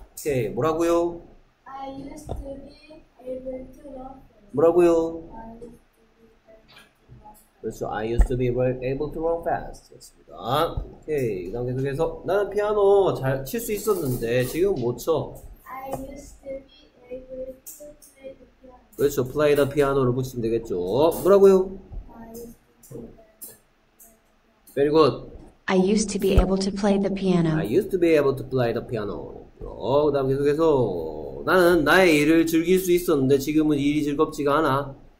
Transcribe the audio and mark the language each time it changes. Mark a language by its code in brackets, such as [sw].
[ko] 오케이, 뭐라고요? [en] I used to be able to run fast. [ko] 뭐라고요? 그래서 [en] I used to be able to run fast. 됐습니다. [ko] 오케이, 그 다음 계속해서 나는 피아노 잘 칠 수 있었는데 지금 못 쳐. [en] I used to be able to play the piano. [ko] 그렇죠. [en] Play the piano [ko] 를 붙이면 되겠죠. 뭐라고요? [en] Very good. I used to be able to play the piano. I used to be able to play the piano. [ko] 그 다음 계속해서 나는 나의 일을 즐길 수 있었는데 지금은 일이 즐겁지가 않아.